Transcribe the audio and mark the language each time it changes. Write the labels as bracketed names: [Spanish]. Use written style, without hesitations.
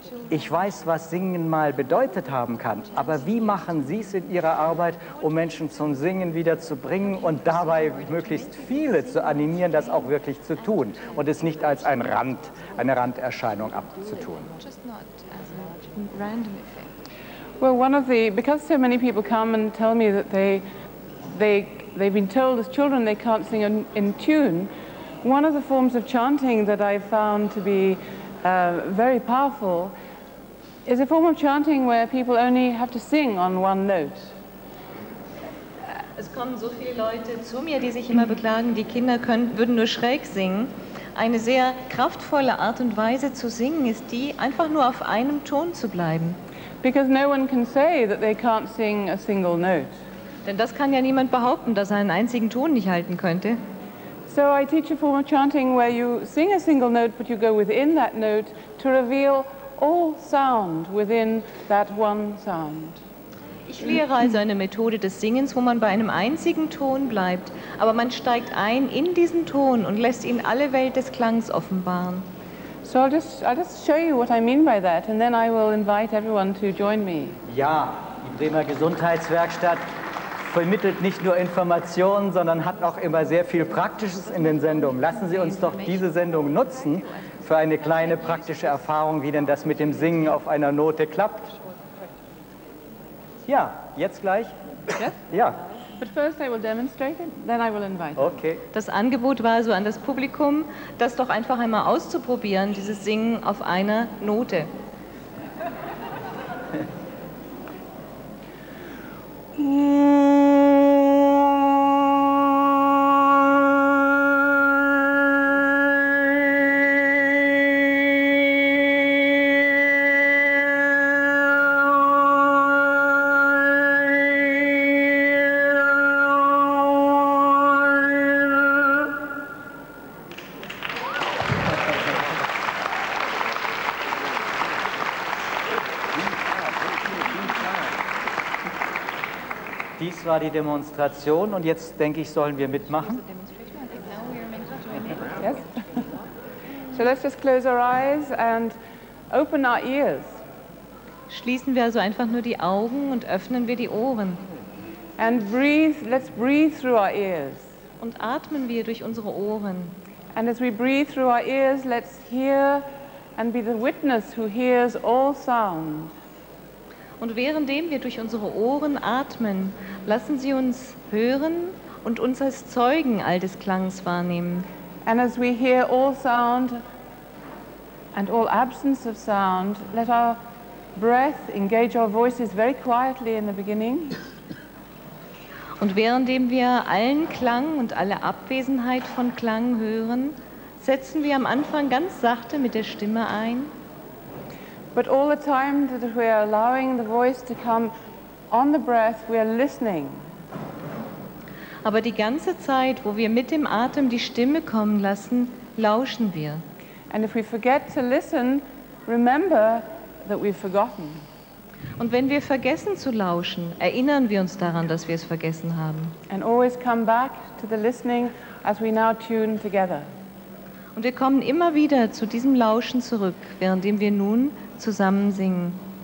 [German] Ich weiß, was Singen mal bedeutet haben kann, aber wie machen Sie es in Ihrer Arbeit, um Menschen zum Singen wieder zu bringen und dabei möglichst viele zu animieren, das auch wirklich zu tun und es nicht als ein Rand, eine Randerscheinung abzutun? [English] Well, one of the, because so many people come and tell me that they've been told as children they can't sing in tune, one of the forms of chanting that I found to be very powerful is a form of chanting where people only have to sing on one note. [German] Es kommen so viele Leute zu mir, die sich immer beklagen, die Kinder können, würden nur schräg singen. Eine sehr kraftvolle Art und Weise zu singen ist die, einfach nur auf einem Ton zu bleiben. [English] Because no one can say that they can't sing a single note. [German] Denn das kann ja niemand behaupten, dass er einen einzigen Ton nicht halten könnte. [English] So I teach a form of chanting where you sing a single note, but you go within that note to reveal all sound within that one sound. [German] Ich lehre also eine Methode des Singens, wo man bei einem einzigen Ton bleibt, aber man steigt ein in diesen Ton und lässt ihn alle Welt des Klangs offenbaren. [English] So I'll just show you what I mean by that, and then I will invite everyone to join me. [German] Ja, die Bremer Gesundheitswerkstatt vermittelt nicht nur Informationen, sondern hat auch immer sehr viel Praktisches in den Sendungen. Lassen Sie uns doch diese Sendung nutzen für eine kleine praktische Erfahrung, wie denn das mit dem Singen auf einer Note klappt. Ja, jetzt gleich. [English] Yes? [German] Ja. [English] But first I will demonstrate it, then I will invite. Okay. [German] Das Angebot war so an das Publikum, das doch einfach einmal auszuprobieren, dieses Singen auf einer Note. Die Demonstration und jetzt denke ich, sollen wir mitmachen? [English] Yes. So let's just close our eyes and open our ears. [German] Schließen wir also einfach nur die Augen und öffnen wir die Ohren. [English] And breathe, let's breathe through our ears. [German] Und atmen wir durch unsere Ohren. [English] And as we breathe through our ears, let's hear and be the witness who hears all sound. [German] Und währenddem wir durch unsere Ohren atmen, lassen Sie uns hören und uns als Zeugen all des Klangs wahrnehmen. [English] And as we hear all sound and all absence of sound, let our breath engage our voices very quietly in the beginning. [German] Und währenddem wir allen Klang und alle Abwesenheit von Klang hören, setzen wir am Anfang ganz sachte mit der Stimme ein. [English] But all the time that we are allowing the voice to come on the breath, we are listening. [German] Aber die ganze Zeit, wo wir mit dem Atem die Stimme kommen lassen, lauschen wir. [English] And if we forget to listen, remember that we've forgotten. [German] Und wenn wir vergessen zu lauschen, erinnern wir uns daran, dass wir es vergessen haben. [English] And always come back to the listening as we now tune together. [German] Und wir kommen immer wieder zu diesem Lauschen zurück, währenddem wir nun zusammen singen.